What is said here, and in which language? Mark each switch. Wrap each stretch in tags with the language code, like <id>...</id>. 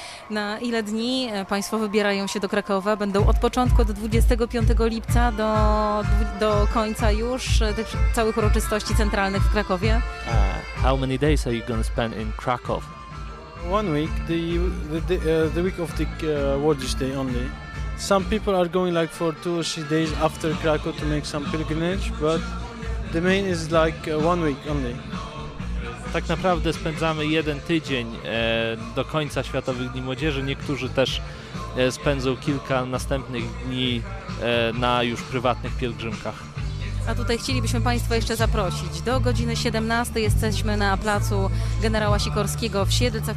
<pl>Na ile dni Państwo wybierają się do Krakowa? Będą od początku do 25 lipca do końca już tych całych uroczystości centralnych w Krakowie?</pl> <en>How many days are you going to spend in Krakow? One week, the week of the Wodzisz Day only. Some people are going like for 2 or 3 days after Krakow to make some pilgrimage, but the main is like one week only.</en> <pl>Tak naprawdę spędzamy jeden tydzień do końca Światowych Dni Młodzieży. Niektórzy też spędzą kilka następnych dni na już prywatnych pielgrzymkach. A tutaj chcielibyśmy Państwa jeszcze zaprosić. Do godziny 17 jesteśmy na placu generała Sikorskiego w Siedlcach.</pl>